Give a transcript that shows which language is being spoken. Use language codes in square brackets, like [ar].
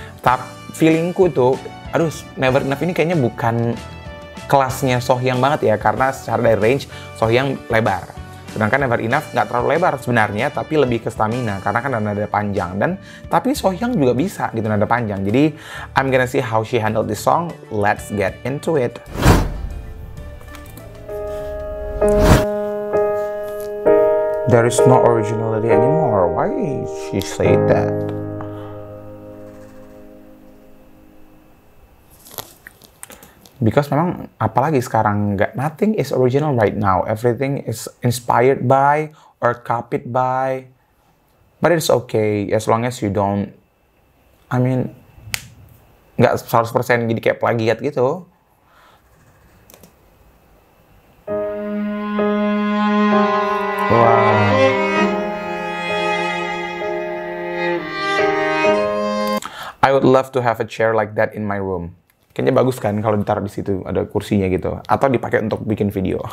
[id] Tapi feelingku tuh, aduh, Never Enough ini kayaknya bukan kelasnya Sohyang banget ya, karena secara dari range Sohyang lebar. Sedangkan Never Enough nggak terlalu lebar sebenarnya, tapi lebih ke stamina, karena kan nada panjang. Dan tapi Sohyang juga bisa gitu nada panjang. [en] Jadi I'm gonna see how she handled this song. Let's get into it. There is no originality anymore. Why she say that? Because [id] memang apalagi sekarang nggak, [en] nothing is original right now. Everything is inspired by or copied by. But it's okay as long as you don't. I mean, [id] nggak 100% jadi kayak plagiat gitu. [en] Wow. I would love to have a chair like that in my room. [id] Kayaknya bagus kan kalau ditaruh di situ, ada kursinya gitu, atau dipakai untuk bikin video.